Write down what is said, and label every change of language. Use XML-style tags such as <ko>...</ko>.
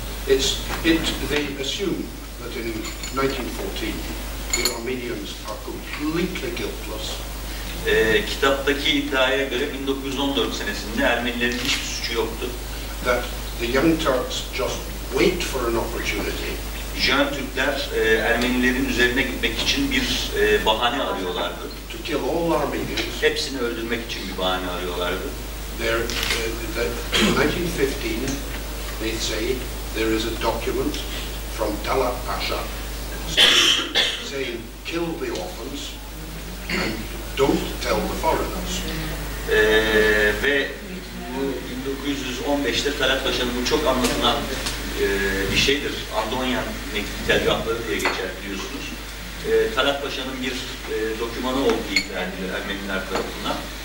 <en>They assume that in 1914 the Armenians are completely guiltless.</en> <tr>Kitaptaki iddiaya göre 1914 senesinde Ermenilerin hiçbir suçu yoktu.</tr> <en>That the young Turks just wait for an opportunity.</en> <tr>Jön Türkler Ermenilerin üzerine gitmek için bir bahane arıyorlardı.</tr> <en>To kill all Armenians.</en> <tr>Hepsini öldürmek için bir bahane arıyorlardı.</tr> <en>There, in 1915, they say there is a document from Talat Pasha saying kill the orphans and don't tell the foreigners.</en> <tr>Ve bu 1915'te Talat Paşa'nın bu çok anlatılan bir şeydir. Andonyan mektupları diye geçer biliyorsunuz. Talat Paşa'nın bir dokümanı olduğu iddia edilir Ermeniler tarafından.</tr>